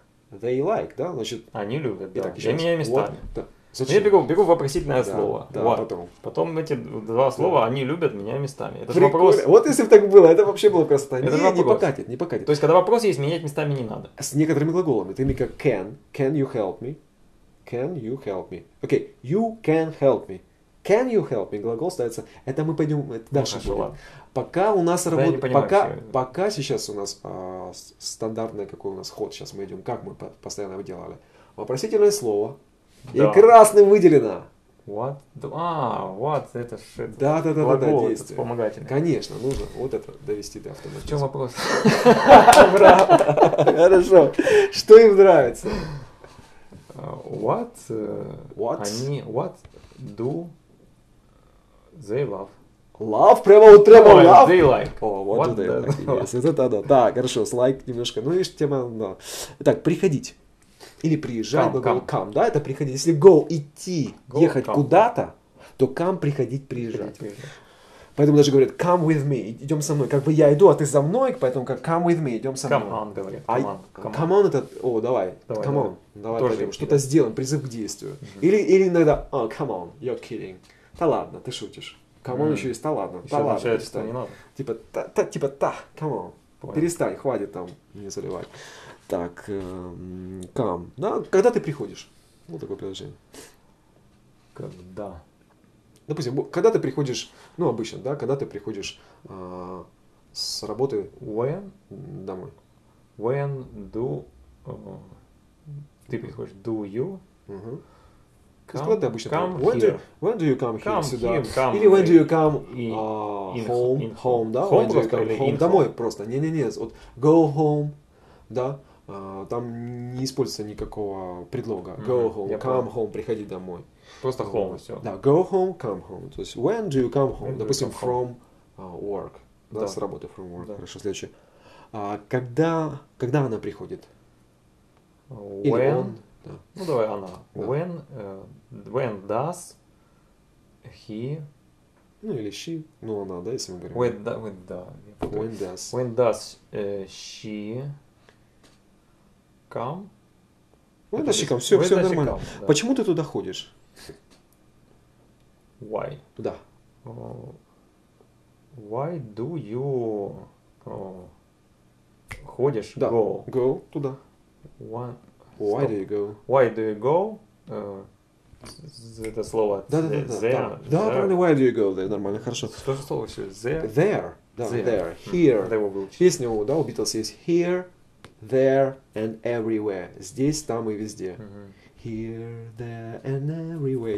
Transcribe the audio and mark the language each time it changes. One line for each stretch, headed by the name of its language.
English: They like,
Russian: да, значит... Они любят, итак, да. Я меняю местами. Вот. Да. Я бегу в вопросительное слово. Да, вот. Потом. Потом эти два слова, да. Они любят, меняю местами. Это же вопрос. Вот если бы так было, это вообще было просто. Это не, не покатит, не покатит. То есть, когда вопрос есть, менять местами не надо. С некоторыми глаголами. Ты мне как
English: can you help me? Can you help me?
Russian: Окей,
English: okay. You can help me. Can you help me?
Russian: Глагол ставится. Это мы пойдем дальше. Ну, хорошо, пока у нас работает. Пока сейчас у нас стандартный какой у нас ход. Сейчас мы идем. Как мы постоянно его делали? Вопросительное слово. Да. И красным выделено.
English: What? What?
Russian: Это же да, глагол, это вспомогательное. Конечно, нужно вот это довести до автоматизма. В чем вопрос? Хорошо. Что им нравится?
English: What? What?
Russian: Они
English: what do they love? Love?
Russian: Прямо вот прямо
English: love? They like. What do they like?
Russian: Это да. Так, хорошо, с like немножко. Ну, видишь, тема, да. Итак, приходить. Или приезжать, но come, да, это приходить. Если go идти, go, ехать come. Куда-то, то come приходить, приезжать. Приезжать. Поэтому даже говорят
English: come with me,
Russian: идем со мной. Как бы я иду, а ты за мной, поэтому как
English: come with me,
Russian: идем со
English: come
Russian: мной.
English: Come on, говорят. Come on
Russian: это, о, давай
English: come on,
Russian: давай тоже пойдем, что-то сделаем, призыв к действию. Uh-huh. Или иногда,
English: oh, come on, you're kidding.
Russian: Да ладно, ты шутишь.
English: Come on
Russian: еще есть, да ладно, да ладно. Еще начинается, не надо. Типа,
English: come on,
Russian: понял. Перестань, хватит там не заливать. Так, come. Да, когда ты приходишь? Вот такое предложение. Когда? Допустим, когда ты приходишь, ну, обычно, да, когда ты приходишь с работы
English: when?
Russian: Домой.
English: When do...
Russian: ты приходишь,
English: do you? Угу.
Russian: Когда ты обычно приходишь?
English: When, when do you come here? Come
Russian: сюда.
English: Him, come или when do you come in home? In home,
Russian: да?
English: Home, when do you come home?
Russian: Домой просто. Не-не-не, вот go home, да? Там не используется никакого предлога.
English: Go home, я come home,
Russian: приходи домой. Просто home, все.
English: Да, go home, come home.
Russian: То есть,
English: when do you come home? When
Russian: допустим,
English: come from home. Work.
Russian: Да, да, с работы,
English: from work.
Russian: Да. Хорошо, следующее. Когда она приходит?
English: When?
Russian: Он, да. Ну, давай она. Да.
English: When, when does he...
Russian: Ну, или she. Ну, она, да, если мы говорим.
English: When does. When does she... Come.
Russian: Ну, это щекам, все нормально. Come, да. Почему ты туда ходишь?
English: Why?
Russian: Да.
English: Why do you
Russian: ходишь? Да.
English: Go. Go
Russian: туда.
English: Why? Why do you go? Why do you go?
Russian: Это слово.
English: Да. There. Да, why do you go? There,
Russian: нормально, хорошо. Что же слово все? There.
English: There. Да, there. Here.
Russian: Песня, да, у Beatles есть here.
English: There and everywhere.
Russian: Здесь, там и везде. Uh-huh.
English: Here, there and everywhere.